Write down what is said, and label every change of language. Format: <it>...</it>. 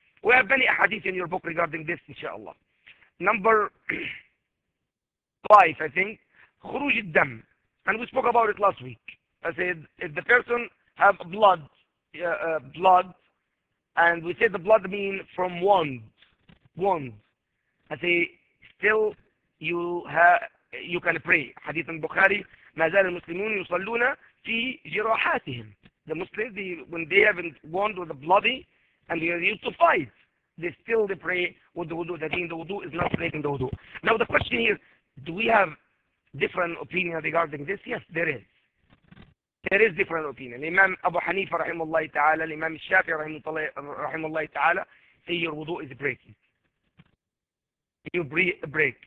<en>We have many ahadith in your book regarding this inshallah. Number five, I think,</en> <ar>خروج الدم.</ar> <en>And we spoke about it last week. I said if the person have blood, blood, and we said the blood mean from wound. I say still you have, you can pray. Hadith in Bukhari,</en> <ar>ما زال المسلمون يصلون في جراحاتهم.</ar> <en>The Muslims, they, when they have been wound with the bloody and they are used to fight, they still they pray with the wudu. That means the wudu is not breaking the wudu. Now the question is, do we have different opinion regarding this? Yes, there is. There is different opinion. Imam Abu Hanifa rahimahullah ta'ala, Imam Shafi rahimahullah ta'ala, say your wudu is breaking. You break.</en>